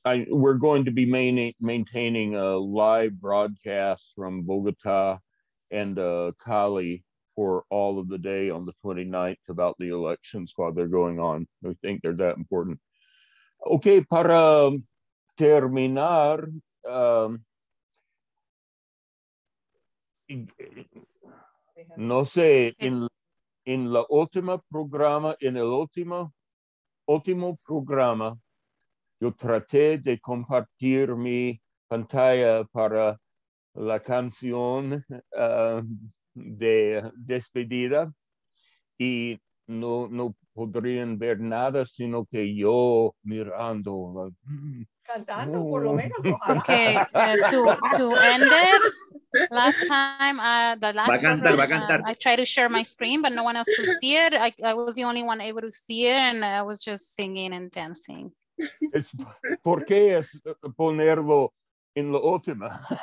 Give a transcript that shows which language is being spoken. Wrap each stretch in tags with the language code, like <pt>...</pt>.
<en>We're going to be maintaining a live broadcast from Bogotá and Cali for all of the day on the 29th about the elections while they're going on. We think they're that important.</en> <es>Okay, para terminar, no sé, en la última programa, en el último programa, yo traté de compartir mi pantalla para la canción de despedida y no podrían ver nada sino que yo mirando. Cantando, oh. Por lo menos.</es> <en>Okay, to end it, last time, the last</en> <es>va a cantar.</es> <en>I tried to share my screen, but no one else could see it. I was the only one able to see it, and I was just singing and dancing.</en> <es>Es, ¿por qué es ponerlo en la última?</es>